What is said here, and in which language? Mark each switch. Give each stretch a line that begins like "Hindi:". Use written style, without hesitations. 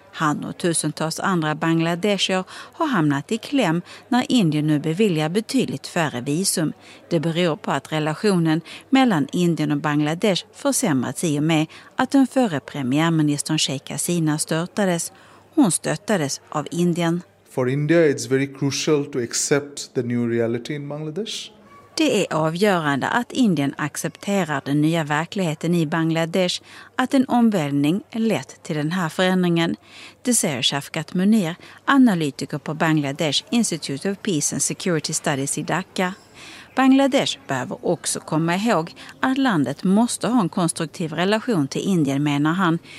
Swedish: Han och tusentals andra bangladesier har hamnat i kläm när Indien nu beviljar betydligt färre visum. Det beror på att relationen mellan Indien och Bangladesh försämrats i och med att den före premiärministern Sheikh Hasina störtades. Hon stöttades av Indien.
English: For India it's very crucial to accept the new reality in Bangladesh.
Swedish: Det är avgörande att Indien accepterar den nya verkligheten i Bangladesh, att en omvälvning lett till den här förändringen. Det säger Shafkat Munir, analytiker på Bangladesh Institute of Peace and Security Studies i Dhaka. Bangladesh behöver också komma ihåg att landet måste ha en konstruktiv relation till Indien, menar han.